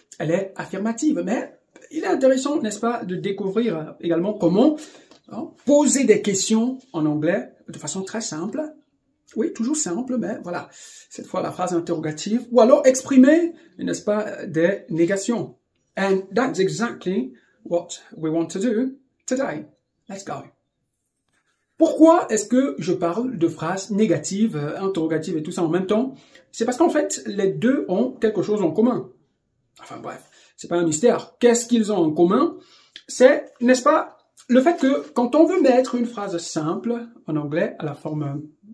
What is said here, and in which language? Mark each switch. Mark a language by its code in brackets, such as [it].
[fr] Elle est affirmative. Mais il est intéressant, n'est-ce pas, de découvrir également comment poser des questions en anglais de façon très simple. Oui, toujours simple, mais voilà. Cette fois, la phrase interrogative. Ou alors exprimer, n'est-ce pas, des négations. [en] And that's exactly what we want to do today. Let's go. [fr] Pourquoi est-ce que je parle de phrases négatives, interrogatives et tout ça en même temps? C'est parce qu'en fait, les deux ont quelque chose en commun. Enfin bref, c'est pas un mystère. Qu'est-ce qu'ils ont en commun? C'est, n'est-ce pas, le fait que quand on veut mettre une phrase simple en anglais à la forme...